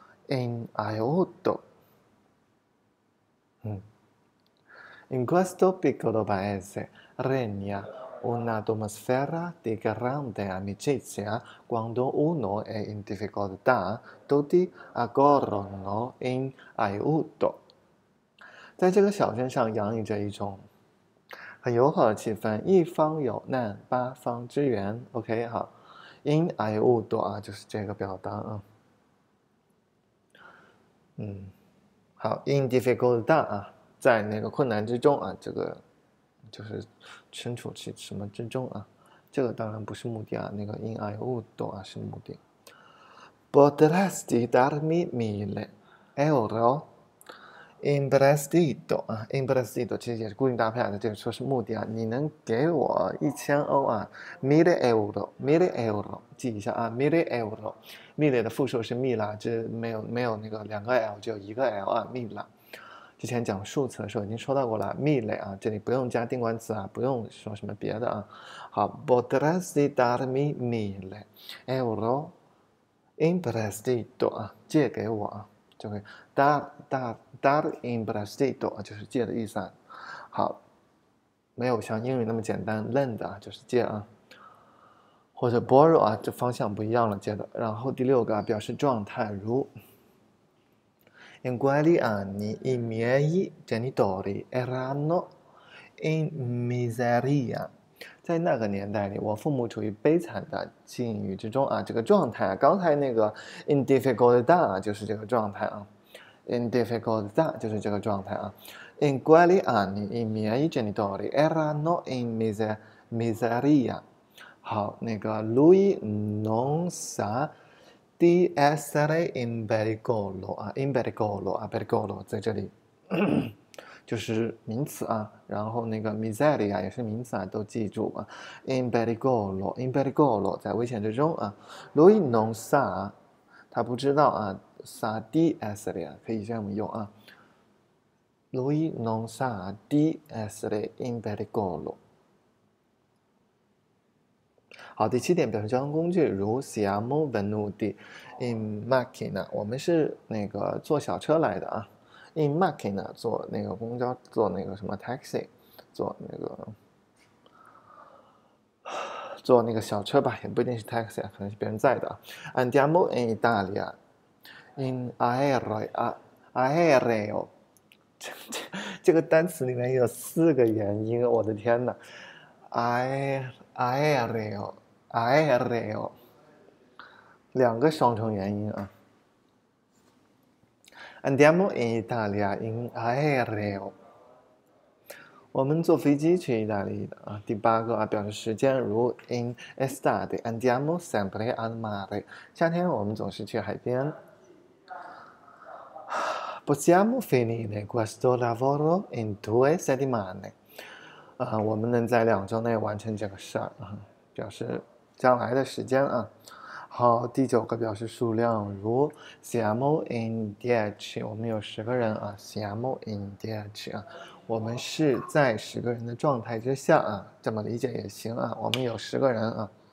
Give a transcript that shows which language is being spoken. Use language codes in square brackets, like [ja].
[it] In aiuto. In questo piccolo paese regna un'atmosfera di grande amicizia. Quando uno è in difficoltà, tutti accorrono in aiuto. [zh] 在这个小镇上洋溢着一种很友好的气氛，一方有难，八方支援。 OK，好，in aiuto 啊，就是这个表达啊。好，in difficoltà 啊，在那个困难之中啊，这个就是身处其什么之中啊，这个当然不是目的啊，那个 in aiuto 啊是目的。 [it] Potresti darmi 1.000 euro？ [zh] Imprestito 啊，imprestito 其实也是固定搭配啊，这个说是目的啊，你能给我1000欧啊，1.000 euro，1.000 euro，记一下啊，1.000 euro，1.000 的复数是米拉，这没有那个两个 l，只有一个 l 啊，米拉。之前讲数词的时候已经说到过了，mille 啊，这里不用加定冠词啊，不用说什么别的啊。好， [it] potresti darmi 1.000 euro imprestito [zh] 啊，借给我啊。就会 dar in prestito 啊，就是借的意思啊。好，没有像英语那么简单，lend 啊，就是借啊，或者 borrow 啊，这方向不一样了，借的。然后第六个啊，表示状态，如 [it] in quegli anni i miei genitori erano in miseria。 [zh] 在那个年代里，我父母处于悲惨的境遇之中啊，这个状态啊，刚才那个 in difficoltà 啊，就是这个状态啊，in difficoltà 就是这个状态啊。 [it] In quegli anni i miei genitori erano in miseria。好，那个 lui non sa di essere in pericolo 啊，in pericolo 啊，pericolo [zh] 在这里。就是名词啊，然后那个 miseria 也是名词啊，都记住啊。 in pericolo 在危险之中啊。 lui non sa，他不知道啊。 sa di essere 可以这样用啊。 [it] lui non sa di essere in pericolo。 [zh] 好，第七点表示交通工具，如 [it] siamo venuti in macchina， [zh] 我们是那个坐小车来的啊。 In macchina 坐那个公交，坐那个什么 taxi，坐那个小车吧，也不一定是 taxi 啊，可能是别人载的。 [it] Andiamo in Italia，in aereo [zh] 啊，aereo，这个单词里面有四个元音，我的天呐，aereo，aereo，两个双重元音啊。 [it] Andiamo in Italia in aereo。 [zh] 我们坐飞机去意大利的啊。第八个啊，表示时间，如 [it] in estate。 Andiamo sempre al mare。 [zh] 夏天我们总是去海边。 [it] Possiamo finire questo lavoro in 2 settimane。 [zh] 我们能在2周内完成这个事儿啊，表示将来的时间啊。好，第九个表示数量，如 [it] siamo in 10， [zh] 我们有10个人啊，siamo in 10啊，我们是在10个人的状态之下啊，这么理解也行啊，我们有10个人啊。